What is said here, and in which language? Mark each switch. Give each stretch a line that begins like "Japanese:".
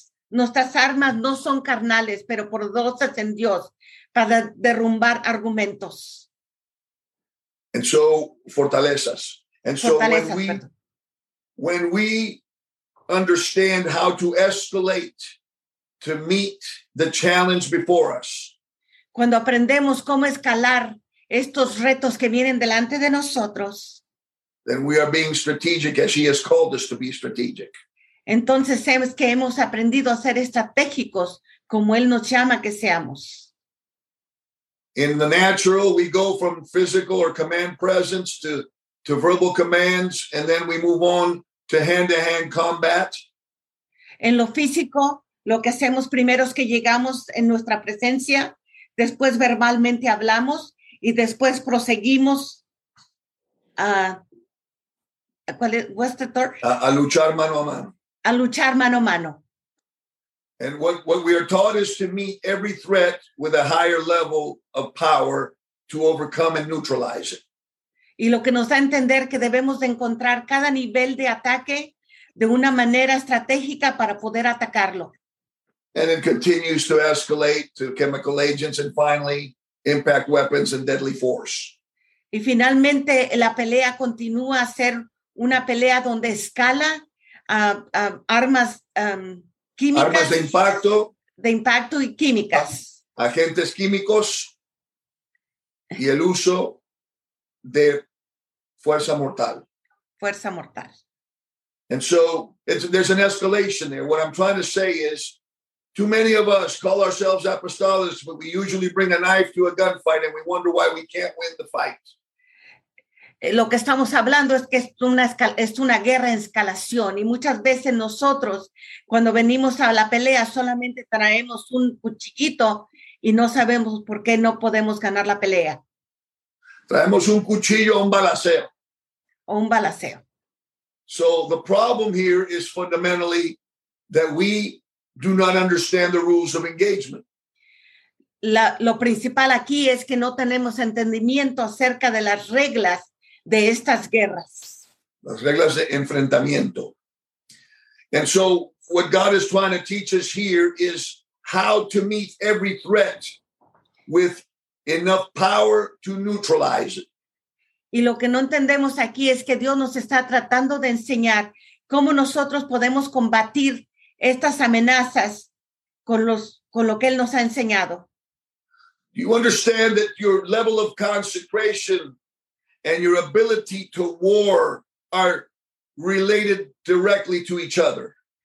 Spanish: Nuestras armas no son carnales, pero poderosas en Dios para derrumbar argumentos.
English: And so, fortalezas. And so when we understand how to escalate to meet the challenge before us.
Spanish: Cuando aprendemos cómo escalar estos retos que vienen delante de nosotros.
English: Then we are being strategic as he has called us to be strategic.
Spanish: Entonces sabemos que hemos aprendido a ser estratégicos como él nos llama que seamos.
English: In the natural, we go from physical or command presence to verbal commands, and then we move on to hand-to-hand combat.
Spanish: En lo físico, lo que hacemos primero es que llegamos en nuestra presencia, después verbalmente hablamos, y después proseguimos a luchar mano a mano. A luchar mano a mano.
English: And what we are taught is to meet every threat with a higher level of power to overcome and neutralize it.
Spanish: Y lo que nos da a entender que debemos de encontrar cada nivel de ataque de una manera estratégica para poder atacarlo.
English: And it continues to escalate to chemical agents and finally impact weapons and deadly force.
Spanish: Y finalmente la pelea continúa a ser una pelea donde escala armas químicas, armas de impacto y químicas, agentes químicos y el uso de fuerza mortal.
English: And so there's an escalation there. What I'm trying to say is too many of us call ourselves apostolics, but we usually bring a knife to a gunfight and we wonder why we can't win the fight.
Spanish: Lo que estamos hablando es que es una guerra en escalación y muchas veces nosotros cuando venimos a la pelea solamente traemos un cuchillito y no sabemos por qué no podemos ganar la pelea. Traemos un cuchillo o un balaceo. O un balaceo.
English: So the problem here is fundamentally that we do not understand the rules of engagement.
Spanish: Lo principal aquí es que no tenemos entendimiento acerca de las reglas de estas guerras. Las reglas de enfrentamiento.
English: And so what God is trying to teach us here is how to meet every threat with enough power to neutralize it.
Spanish: Y lo que no entendemos aquí es que Dios nos está tratando de enseñar cómo nosotros podemos combatir estas amenazas con lo que él nos ha enseñado.
English: Do you understand that your level of consecration and your ability to war are related directly to each other?